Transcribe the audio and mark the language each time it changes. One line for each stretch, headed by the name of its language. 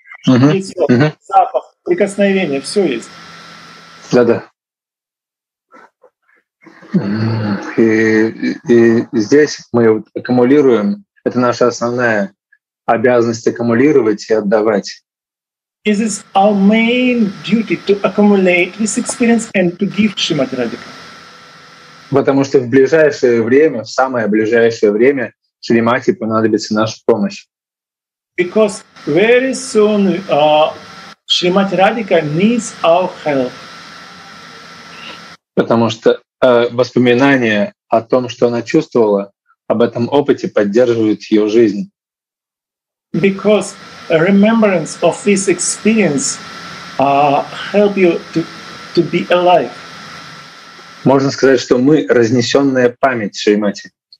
Russian: Запах, прикосновение, все есть. Да. И здесь мы аккумулируем. Это наша основная обязанность аккумулировать и отдавать.
English: This is our main duty to accumulate this experience and to give Shrimati Radhika.
Russian: Потому что в ближайшее время, в самое ближайшее время, Шримати понадобится наша помощь.
English: Because very soon Shrimati Radhika needs our help.
Russian: Потому что воспоминания о том, что она чувствовала, об этом опыте поддерживают ее жизнь.
English: Because a remembrance of this experience help you to be alive.
Russian: Можно сказать, что мы разнесённая память Шримати.